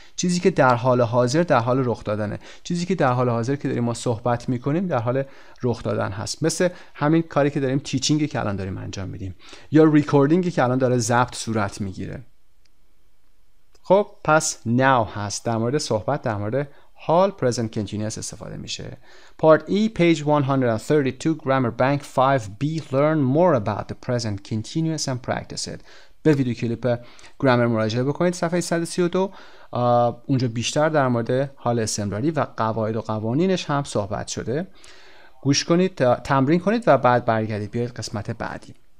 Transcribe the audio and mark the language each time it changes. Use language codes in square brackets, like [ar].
[fa] چیزی که در حال حاضر در حال رخ دادنه، چیزی که در حال حاضر که داریم ما صحبت میکنیم در حال رخ دادن هست. مثل همین کاری که داریم teachingی که الان داریم انجام میدیم یا recordingی که الان داره ضبط صورت میگیره. خب پس now هست، در مورد صحبت، در مورد حال، present continuous استفاده میشه. [en] Part E, page 132, Grammar Bank 5B, learn more about the present continuous and practice it. [fa] به ویدیو کلیپ گرامر مراجعه بکنید، صفحه 132. اونجا بیشتر در مورد حال استمراری و قواعد و قوانینش هم صحبت شده. گوش کنید، تمرین کنید و بعد برگردید بیاید قسمت بعدی.